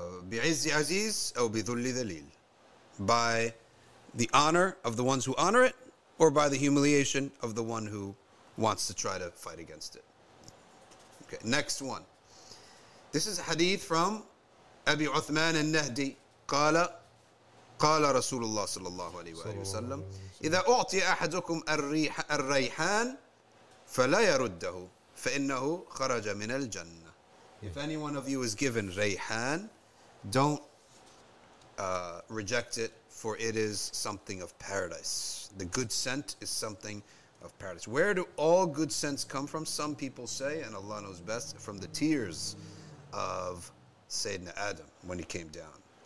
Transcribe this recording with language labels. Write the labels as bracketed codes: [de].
[ar] Bi'izzi aziz or bi'dhulli dhalil. [en] By the honor of the ones who honor it or by the humiliation of the one who wants to try to fight against it. Okay, next one. This is a hadith from Abi Uthman al-Nahdi. [ar] Qala. قال رسول الله صلى الله عليه وسلم إذا أعطي أحدكم الريحان فلا يرده فإنه خرج من الجنة. [en] If any one of you is given ريحان, don't reject it, for it is something of paradise. The good scent is something of paradise. Where do all good scents come from? Some people say, and Allah knows best, from the tears of Sayyidina Adam when he came down.